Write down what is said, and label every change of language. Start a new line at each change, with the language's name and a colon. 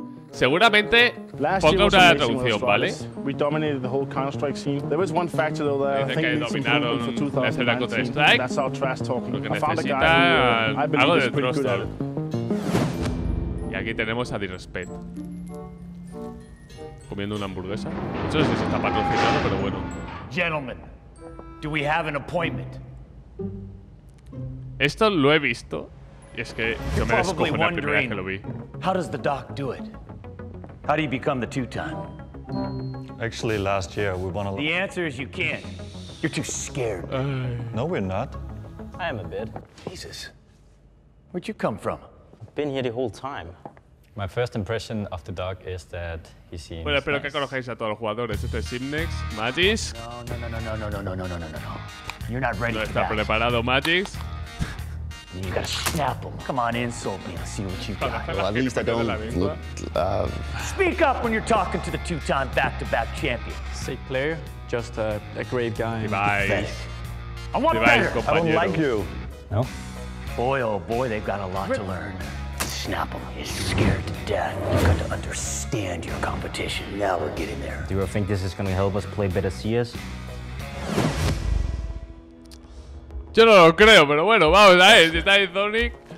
Spanish: Seguramente ponga una traducción, ¿vale? Dice que dominaron la escena Counter-Strike. Lo que necesita algo de trust. Y aquí tenemos a Disrespect comiendo una hamburguesa. No sé si se está patrocinando, pero bueno.
English: Gentlemen, do we have an appointment?
Spanish: Esto lo he visto. Y es que yo me descojo la primera vez que lo vi.
English: How does the doc do it? How do you become the two-time? Actually, last year we won a lot. The answer is you can't. You're too scared. No, we're not. I am a bit. Jesus. Where'd you come from? Been here the whole time. My first impression of the dog is that he seems.
Spanish: Bueno, espero que conozcáis a todos los jugadores. Este es Simnex, Magis.
English: No. You're not ready.
Spanish: No está preparado, Magis.
English: You gotta snap him. Come on, insult me. I'll see what you got. Well, at least I don't look. Speak up when you're talking to the two-time back-to-back champion. Sick player, just a great guy. I want better. I don't like you. No. Boy, oh boy, they've got a lot to learn. Snap him. He's scared to death. You got to understand your competition. Now we're getting there. Do you think this is gonna help us play better CS?
Spanish: Yo no lo creo, pero bueno, vamos a ver si está ahí Zonic.